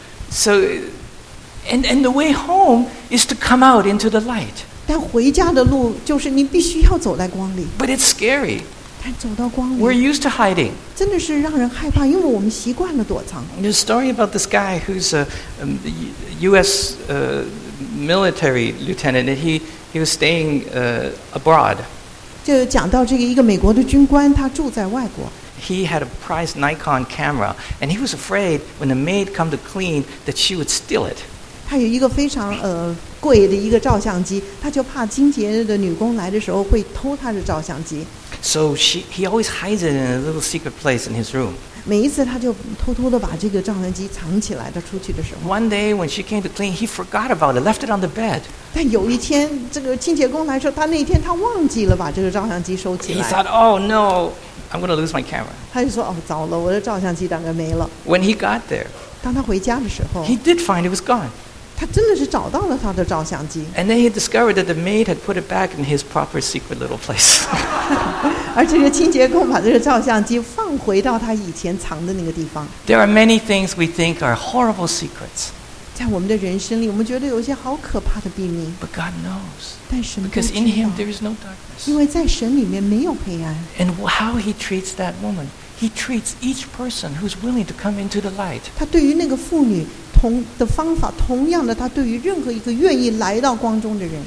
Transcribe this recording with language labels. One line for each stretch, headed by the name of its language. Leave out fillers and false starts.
English: So, and the way home is to come out into the light.
Chinese: 但回家的路就是你必须要走在光里。
English: But it's scary.
Chinese: 但走到光里。
English: We're used to hiding.
Chinese: 真的是让人害怕，因为我们习惯了躲藏。
English: There's a story about this guy who's a U.S. Military lieutenant, and he was staying abroad.
Chinese: 就讲到这个一个美国的军官，他住在外国。
English: He had a prized Nikon camera, and he was afraid when the maid came to clean that she would steal it.
Chinese: 他有一个非常贵的一个照相机，他就怕清洁的女工来的时候会偷他的照相机。
English: So he always hides it in a little secret place in his room.
Chinese: 每一次他就偷偷的把这个照相机藏起来，他出去的时候。
English: One day when she came to clean, he forgot about it, left it on the bed.
Chinese: 但有一天，这个清洁工来说，他那天他忘记了把这个照相机收起来。
English: He thought, "Oh no, I'm going to lose my camera."
Chinese: 他就说，哦，糟了，我的照相机大概没了。
English: When he got there,
Chinese: 当他回家的时候
English: ，he did find it was gone.
Chinese: 他真的是找到了他的照相机。
English: And then he discovered that the maid had put it back in his proper secret little place.
Chinese: 而这个清洁工把这个照相机放回到他以前藏的那个地方。
English: There are many things we think are horrible secrets.
Chinese: 在我们的人生里，我们觉得有一些好可怕的秘密。
English: But God knows.
Chinese: 但神都知道。
English: Because in Him there is no darkness.
Chinese: 因为在神里面没有黑暗。
English: And how He treats that woman, He treats each person who's willing to come into the light.
Chinese: 他对于那个妇女。的方法同样的，他对于任何一个愿意来到光中的人